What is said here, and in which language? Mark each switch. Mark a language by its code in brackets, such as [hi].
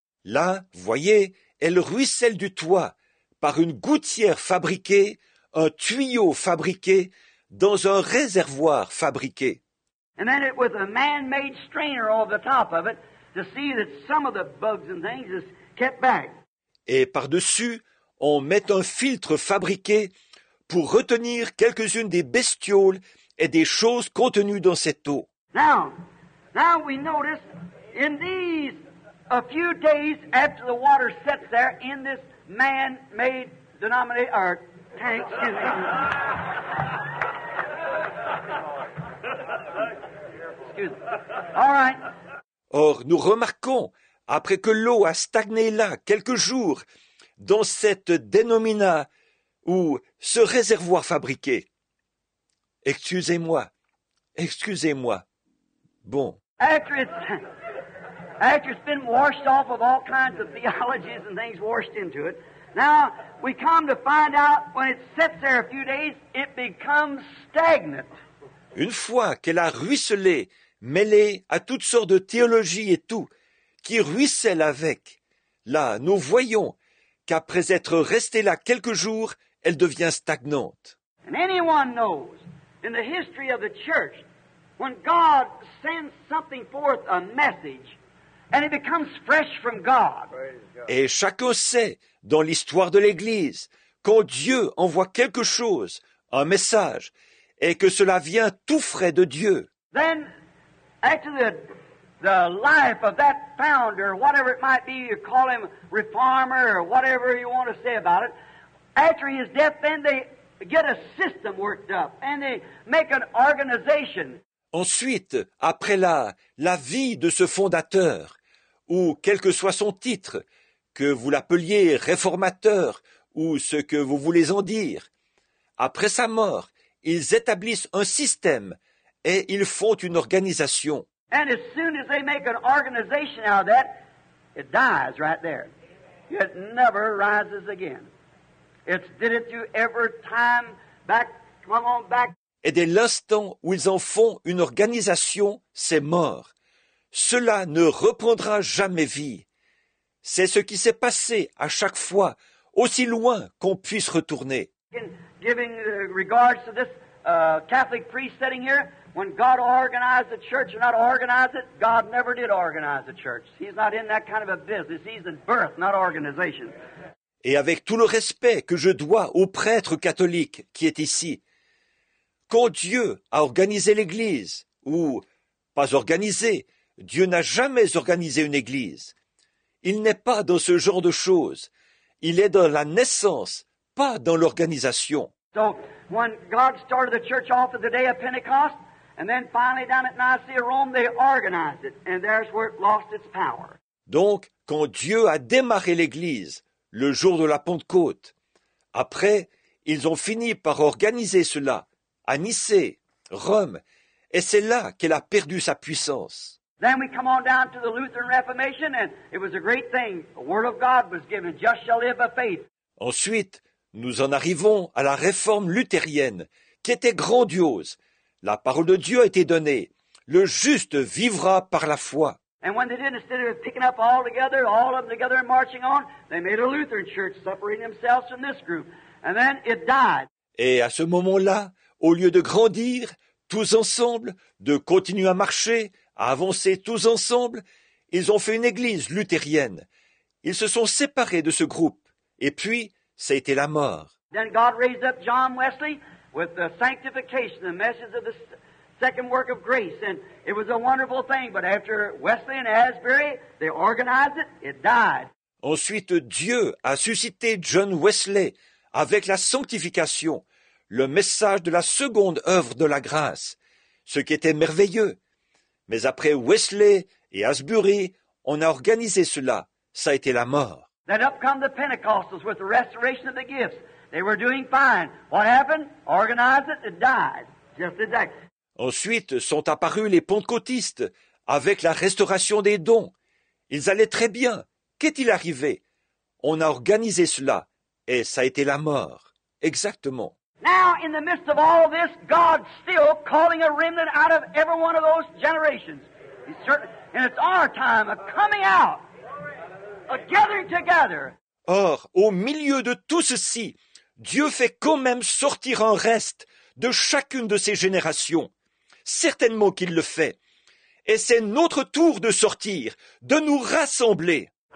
[fr] Là, voyez, elle ruisselle du toit par une gouttière fabriquée, un tuyau fabriqué, dans un réservoir fabriqué. [en] And then it was a man-made strainer over the top of it to see that some of the bugs and things is kept back. [fr] Et par-dessus, on met un filtre fabriqué pour retenir quelques-unes des bestioles et des choses contenues dans cette eau. [en] Now we notice in these a few days after the water sets there in this man-made denominator tank. Excuse me. All right. [fr] Or, nous remarquons, après que l'eau a stagné là quelques jours, dans cette dénomina ou ce réservoir fabriqué. Excusez-moi. Bon. [en] After it's been washed off of all kinds of theologies and things washed into it, now we come to find out when it sits there a few days, it becomes stagnant. [fr] Une fois qu'elle a ruisselé, mêlé à toutes sortes de théologies et tout, qui ruisselle avec, là, nous voyons qu'après être restée là quelques jours, elle devient stagnante. [en] And anyone knows, in the history of the church, when God sends something forth, a message, and it becomes fresh from God. [fr] Et chacun sait, dans l'histoire de l'Église, quand Dieu envoie quelque chose, un message, et que cela vient tout frais de Dieu. [en] Then, after the life of that founder, whatever it might be, you call him reformer, or whatever you want to say about it, after his death, then they get a system worked up, and they make an organization. [fr] Ensuite, après la vie de ce fondateur, ou quel que soit son titre, que vous l'appeliez réformateur, ou ce que vous voulez en dire, après sa mort, ils établissent un système et ils font une organisation. [en] And as soon as they make an organization out of that, it dies right there. It never rises again. It's did it through every time back, come on back. [fr] Et dès l'instant où ils en font une organisation, c'est mort. Cela ne reprendra jamais vie. C'est ce qui s'est passé à chaque fois, aussi loin qu'on puisse retourner. [en] Giving regards to this Catholic priest sitting here, when God organized the church or not organized it, God never did organize the church. He's not in that kind of a business. He's in birth, not organization. [fr] Et avec tout le respect que je dois au prêtre catholique qui est ici, quand Dieu a organisé l'Église, ou pas organisé, Dieu n'a jamais organisé une Église. Il n'est pas dans ce genre de choses. Il est dans la naissance, pas dans l'organisation. [en] So, when God started the church off of the day of Pentecost, and then finally down at Nicaea, Rome, they organized it, and there's where it lost its power. [fr] Donc, quand Dieu a démarré l'Église, le jour de la Pentecôte, après, ils ont fini par organiser cela, à Nicée, Rome, et c'est là qu'elle a perdu sa puissance. [en] Then we come on down to the Lutheran Reformation, and it was a great thing. The Word of God was given, just shall live by faith. [fr] Ensuite, nous en arrivons à la réforme luthérienne, qui était grandiose. La parole de Dieu a été donnée. Le juste vivra par la foi. [en] And when they did, instead of picking up all of them together and marching on, they made a Lutheran church, separating themselves from this group. And then it died. [fr] Et à ce moment-là, au lieu de grandir, tous ensemble, de continuer à marcher, à avancer tous ensemble, ils ont fait une église luthérienne. Ils se sont séparés de ce groupe. Et puis, ça a été la mort. [en] Then God raised up John Wesley with the sanctification, the message of the second work of grace. And it was a wonderful thing. But after Wesley and Asbury, they organized it, it died. [fr] Ensuite, Dieu a suscité John Wesley avec la sanctification, le message de la seconde œuvre de la grâce, ce qui était merveilleux. Mais après Wesley et Asbury, on a organisé cela. Ça a été la mort. [en] Then up come the Pentecostals with the restoration of the gifts. They were doing fine. What happened? Organized it, it died. Just exactly. [fr] Ensuite sont apparus les pentecôtistes avec la restauration des dons. Ils allaient très bien. Qu'est-il arrivé? On a organisé cela, et ça a été la mort. Exactement. [en] Now, in the midst of all this, God's still calling a remnant out of every one of those generations. And it's our time of coming out, a gathering together. [fr] Or, au milieu de tout ceci, Dieu fait quand même sortir un reste de chacune de ces générations. Certainement qu'il le fait. Et c'est notre tour de sortir, de nous rassembler.